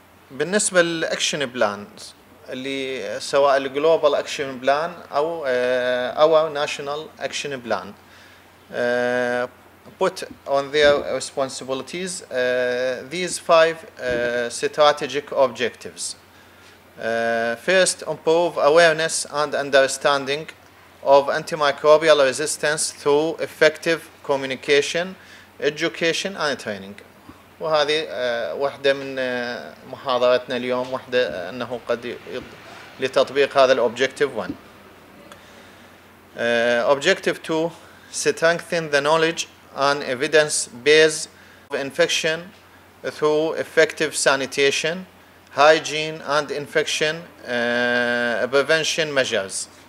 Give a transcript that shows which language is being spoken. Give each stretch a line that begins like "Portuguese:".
English: بالنسبة للأكشن بلان اللي سواء الجلوبال أكشن بلان أو national action plan put on their responsibilities these five strategic objectives. First, improve awareness and understanding of antimicrobial resistance through effective communication, education and training.
Arabic: وهذه واحدة من محاضرتنا اليوم واحدة أنه قد لتطبيق هذا الـ Objective 1.
English: Objective 2, strengthen the knowledge and evidence-based of infection through effective sanitation, hygiene and infection prevention measures.